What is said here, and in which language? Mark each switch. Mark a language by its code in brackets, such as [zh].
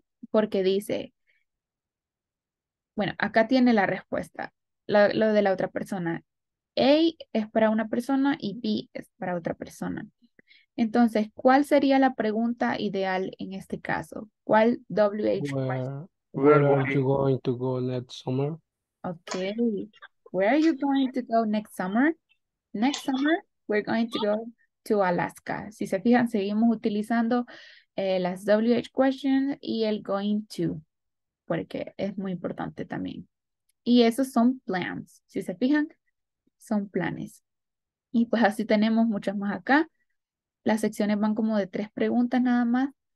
[es] Porque dice, bueno, acá tiene la respuesta, lo de la otra persona. A es para una persona y B es para otra persona. Entonces, ¿cuál sería la pregunta ideal en este caso? ¿Cuál WH question? [en] Where are you going to go next summer? Okay. Where are you going to go next summer? Next summer, we're going to go to Alaska. [es] Si se fijan, seguimos utilizando las WH questions y el going to, porque es muy importante también. Y esos son plans. Si se fijan, son planes. Y pues así tenemos muchas más acá. Las secciones van como de 3 preguntas nada más.